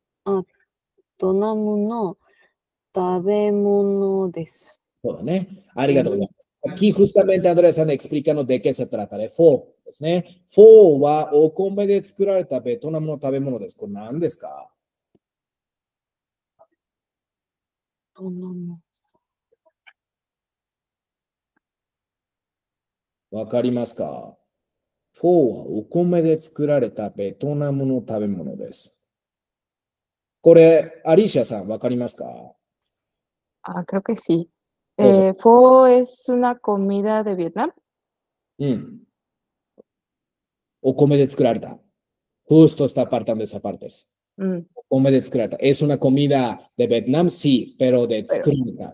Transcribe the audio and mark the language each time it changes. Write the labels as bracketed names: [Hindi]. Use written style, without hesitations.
[Japanese] あ、トナムの食べ物です。そうだね。ありがとうございます。 [Spanish] Aquí justamente Andrea さんが explicando de qué se trata de フォー [Japanese] ですね。フォーはお米で作られたベトナムの食べ物です。これ何ですか？トナム。わかりますか？フォーはお米で作られたベトナムの食べ物です。これ、アリシアさん、わかりますか？ [Spanish] あ、creo que sí。フォー es una comida de Vietnam。 [Japanese] うん。お米で作られた。 [Spanish] Justo está apartando esa parte。 [Japanese] うん。お米で作られた。 [Spanish] Es una comida de Vietnam, sí, pero de [Japanese] 作られた。